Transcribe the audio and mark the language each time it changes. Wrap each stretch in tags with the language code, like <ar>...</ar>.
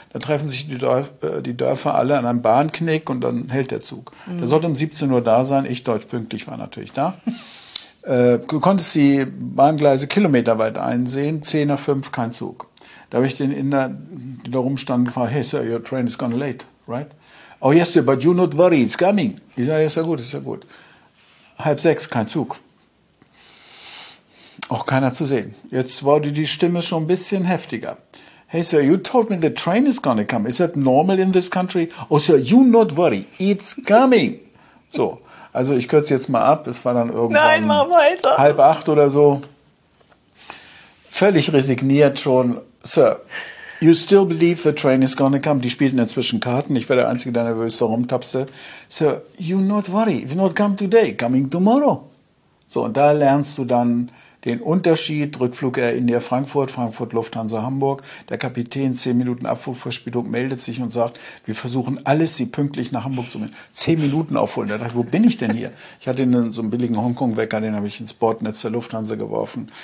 <de>Da treffen sich die Dörfer alle an einem Bahnknick und dann hält der Zug. Mhm. Der sollte um 17 Uhr da sein, ich deutsch pünktlich war natürlich da. Du konntest die Bahngleise kilometerweit einsehen, 10 nach 5, kein Zug. Da habe ich den Inder, der da rumstand, gefragt,</de> <en>hey, sir, your train is gone late, right? Oh, yes, sir, but you not worry, it's coming.</en> <de>Ich sage, ist ja gut. 5:30, kein Zug. Auch keiner zu sehen. Jetzt wurde die Stimme schon ein bisschen heftiger.</de> <en>Hey, sir, you told me the train is gonna come. Is that normal in this country? Oh, sir, you not worry, it's coming.</en> <de>So. Also ich kürze jetzt mal ab, es war dann irgendwann 7:30 oder so. Völlig resigniert schon, Sir,</de> <en>You still believe the train is gonna come.</en> <de>Die spielten inzwischen Karten. Ich war der Einzige, der nervös herumtapste.</de> <en>So, you not worry. If not come today, coming tomorrow.</en> <de>So, und da lernst du dann den Unterschied. Rückflug Air India Frankfurt, Frankfurt Lufthansa Hamburg. Der Kapitän, 10 Minuten Abflugverspätung, meldet sich und sagt, wir versuchen alles, sie pünktlich nach Hamburg zu bringen. 10 Minuten aufholen. Da dachte ich, wo bin ich denn hier? Ich hatte so einen billigen Hongkong-Wecker, den habe ich ins Bordnetz der Lufthansa geworfen.</de>